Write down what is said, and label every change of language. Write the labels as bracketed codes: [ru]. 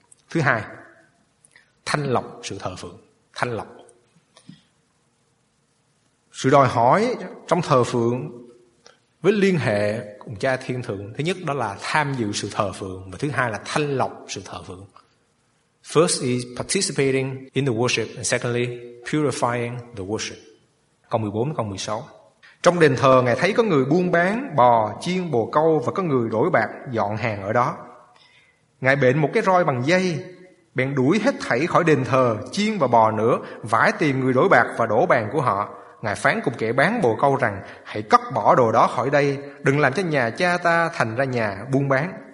[vi] Thứ hai, thanh lọc sự thờ phượng. Thanh lọc. Sự đòi hỏi trong thờ phượng với liên hệ cùng Cha Thiên Thượng, thứ nhất đó là tham dự sự thờ phượng, và thứ hai là thanh lọc sự thờ phượng. [en] First is participating in the worship, and secondly, purifying the worship. [vi] Câu 14, câu 16. Trong đền thờ, Ngài thấy có người buôn bán bò, chiên, bồ câu, và có người đổi bạc dọn hàng ở đó. Ngài bện một cái roi bằng dây, bèn đuổi hết thảy khỏi đền thờ, chiên và bò nữa, vãi tìm người đổi bạc và đổ bàn của họ. Ngài phán cùng kẻ bán bồ câu rằng, hãy cất bỏ đồ đó khỏi đây, đừng làm cho nhà Cha ta thành ra nhà buôn bán.